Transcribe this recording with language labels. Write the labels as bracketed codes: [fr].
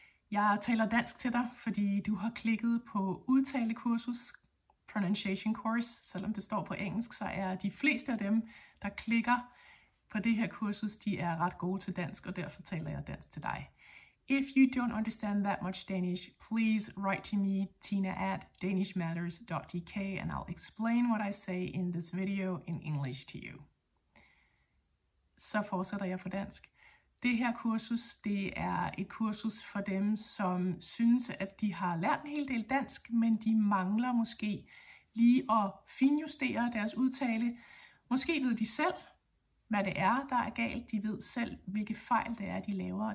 [da] Jeg taler dansk til dig, fordi du har klikket på udtalekursus, [en] pronunciation course, [da] selvom det står på engelsk, så er de fleste af dem, der klikker på det her kursus, de er ret gode til dansk, og derfor taler jeg dansk til dig. [en] If you don't understand that much Danish, please write to me, tina@danishmatters.dk, and I'll explain what I say in this video in English to you. [da] Så fortsætter jeg på dansk. Det her kursus, det er et kursus for dem, som synes, at de har lært en hel del dansk, men de mangler måske lige at finjustere deres udtale. Måske ved de selv, hvad det er, der er galt. De ved selv, hvilke fejl det er, de laver.